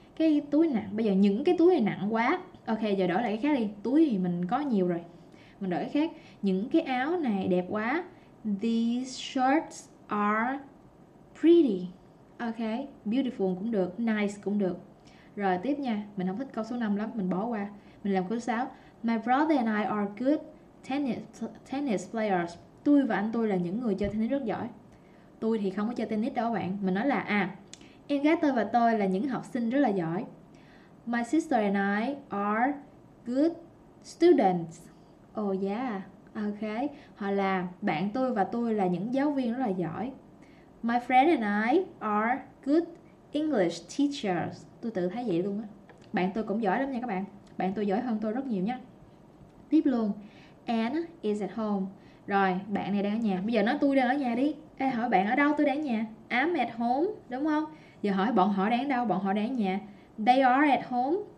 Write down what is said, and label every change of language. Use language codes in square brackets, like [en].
[vi] Cái túi nặng, bây giờ những cái túi này nặng quá. Ok, giờ đổi lại cái khác đi. Túi thì mình có nhiều rồi, mình đổi cái khác. Những cái áo này đẹp quá. [en] These shirts are pretty. [vi] Ok, beautiful cũng được, nice cũng được. Rồi tiếp nha, mình không thích câu số 5 lắm, mình bỏ qua. Mình làm câu 6. [en] My brother and I are good tennis players. [vi] Tôi và anh tôi là những người chơi tennis rất giỏi. Tôi thì không có chơi tennis đâu bạn. Mình nói là à, em gái tôi và tôi là những học sinh rất là giỏi. [en] My sister and I are good students. [vi] Oh yeah, ok. Họ là bạn tôi và tôi là những giáo viên rất là giỏi. [en] My friend and I are good English teachers. [vi] Tôi tự thấy vậy luôn á. Bạn tôi cũng giỏi lắm nha các bạn. Bạn tôi giỏi hơn tôi rất nhiều nha. Tiếp luôn. [en] Anna is at home. [vi] Rồi, bạn này đang ở nhà. Bây giờ nói tôi đang ở nhà đi. Ê, hỏi bạn ở đâu, tôi đang ở nhà. [en] I'm at home, [vi] đúng không? Giờ hỏi bọn họ đang ở đâu, bọn họ đang ở nhà. [en] They are at home.